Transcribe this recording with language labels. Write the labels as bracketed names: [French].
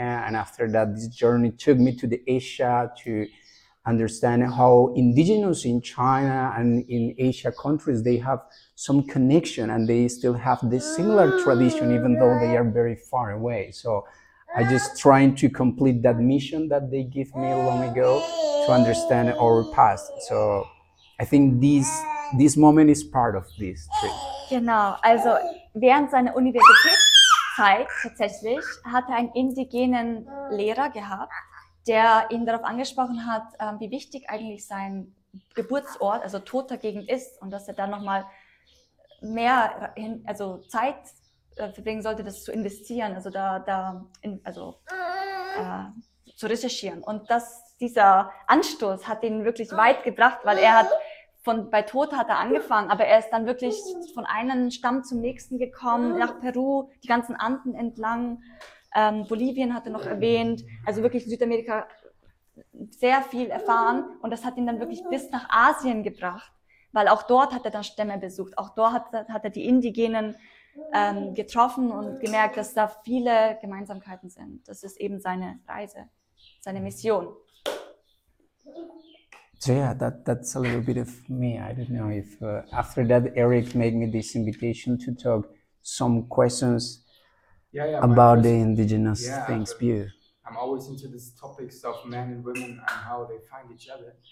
[English] And after that, this journey took me to the Asia to understand how indigenous in China and in Asia countries, they have some connection and they still have this similar tradition, even though they are very far away. So I just trying to complete that mission that they gave me long ago to understand our past. So I think this moment is part of this trip. [German] Genau, also während seiner Universitätszeit tatsächlich hat er einen indigenen Lehrer gehabt, der ihn darauf angesprochen hat, wie wichtig eigentlich sein Geburtsort, also Tota Gegend ist, und dass er dann nochmal mehr Zeit verbringen sollte, das zu investieren, also zu recherchieren. Und dieser Anstoß hat ihn wirklich weit gebracht, weil er hat bei Tota hat er angefangen, aber er ist dann wirklich von einem Stamm zum nächsten gekommen, nach Peru, die ganzen Anden entlang. Bolivien hat er noch erwähnt, also wirklich Südamerika sehr viel erfahren. Und das hat ihn dann wirklich bis nach Asien gebracht, weil auch dort hat er dann Stämme besucht. Auch dort hat er die Indigenen getroffen und gemerkt, dass da viele Gemeinsamkeiten sind. Das ist eben seine Reise, seine Mission. [English] So yeah, that's a little bit of me. I don't know if after that, Eric made me this invitation to talk some questions about the indigenous things. I'm always into these topics of men and women and how they find each other.